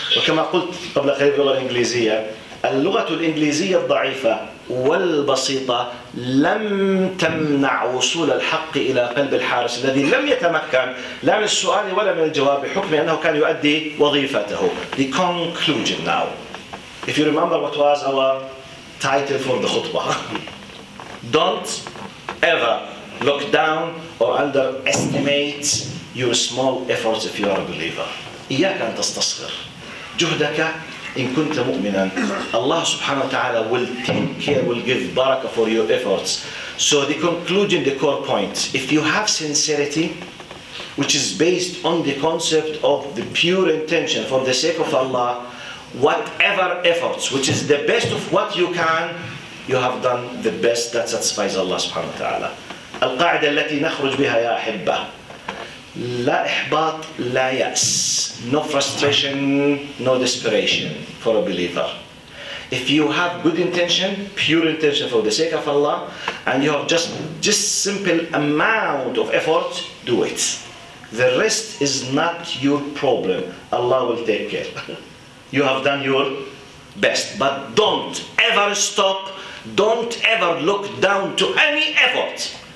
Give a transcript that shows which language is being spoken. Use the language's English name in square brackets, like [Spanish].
[Arabic] وكما قلت قبل قليل باللغة الإنجليزية، اللغة الإنجليزية الضعيفة والبسيطة لم تمنع وصول الحق إلى قلب الحارس الذي لم يتمكن لا من السؤال ولا من الجواب بحكم أنه كان يؤدي وظيفته. [English] The conclusion now. If you remember what was our title for the خطبة. Don't ever look down or underestimate your small efforts if you are a believer. [Arabic] إياك أن تستصغر جهدك إن كنت مؤمناً. الله سبحانه وتعالى [English] will take care, will give baraka for your efforts. So the conclusion, the core point, if you have sincerity, which is based on the concept of the pure intention for the sake of Allah, whatever efforts, which is the best of what you can, you have done the best that satisfies Allah [Arabic] سبحانه وتعالى. القاعدة التي نخرج بها يا أحبة، لا إحباط لا يأس، [English] no frustration no desperation for a believer. If you have good intention, pure intention for the sake of Allah, and you have just simple amount of effort, do it. The rest is not your problem. Allah will take care. You have done your best, but don't ever stop, don't ever look down to any effort.